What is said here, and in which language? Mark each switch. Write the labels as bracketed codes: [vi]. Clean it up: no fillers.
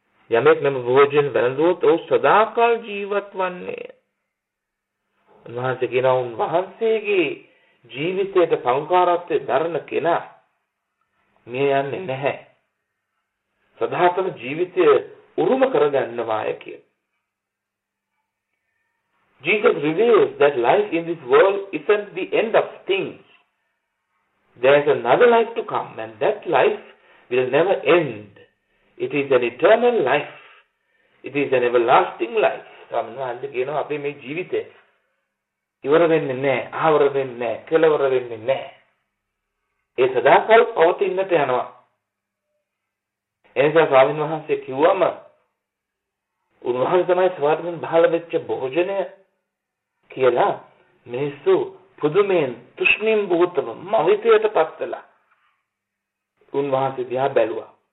[si] යමෙක් මෙම භෝජන වැළඳුවොත් ඔහු සදාකල් ජීවත් වන්නේ. උන්වහන්සේ කියනවා උන්වහන්සේගේ ජීවිතයට සංකාරත්වය දරන කෙනා මිය යන්නේ නැහැ. සදාතන ජීවිතය උරුම කරගන්නවාය කියලා. [en] Jesus reveals that life in this world isn't the end of things. There's another life to come and that life will never end. It is an eternal life. It is an everlasting life. [si] ස්වාමීන් වහන්සේ කියනවා අපේ මේ ජීවිතය ඉවර වෙන්නේ නැහැ, ආවර වෙන්නේ නැහැ, කෙලවර වෙන්නේ නැහැ. ඒ සදාකල් පවතින්නට යනවා. එනිසා ස්වාමීන් වහන්සේ කිව්වම උන්වහන්සේ තමයි ස්වර්ගයෙන් බහල වෙච්ච භෝජනය කියලා මිනිස්සු පුදුමයෙන් තුෂ්ණිම් භූතව මවිතයට පත් වෙලා උන්වහන්සේ දිහා බැලුවා.